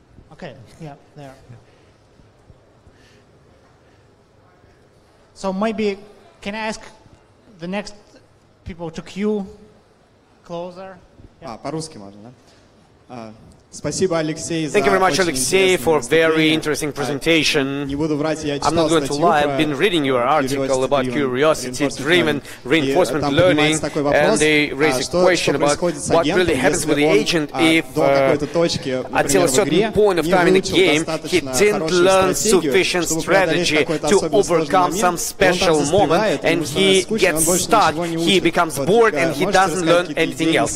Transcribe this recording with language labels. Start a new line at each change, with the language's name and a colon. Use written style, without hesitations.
English: Okay, yeah, there. So maybe, can I ask the next people to queue closer? Yeah.
Russian: А, по-русски можно, да? Спасибо, Алексей,
English: Thank you very much, Алексей, for a very interesting presentation. I'm not going to lie, I've been reading your article about curiosity-driven reinforcement learning, and they raise a question about what really happens with the agent if until a certain point of time in the game he didn't learn sufficient strategy to overcome some special moment, and he gets stuck, he becomes bored, and he doesn't learn anything else.